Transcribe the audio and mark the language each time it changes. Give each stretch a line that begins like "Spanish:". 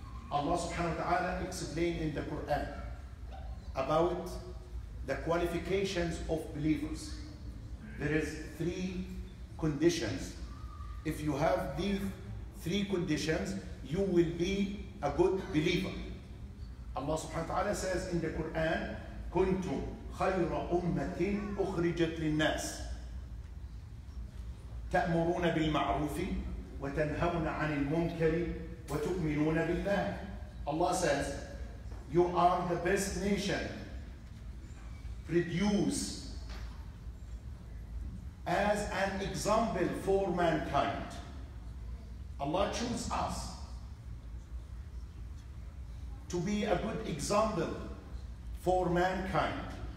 English: Allah subhanahu wa ta'ala explained in the Quran about the qualifications of believers. There is three conditions. If you have these three conditions, you will be a good believer. Allah subhanahu wa ta'ala says in the Quran,
Arabic: كنتم خير أمة أخرجت للناس تأمرون بالمعروف وتنهون عن المنكر وتؤمنون بالله.
English: Allah says, you are the best nation, produce as an example for mankind. Allah chose us to be a good example for mankind.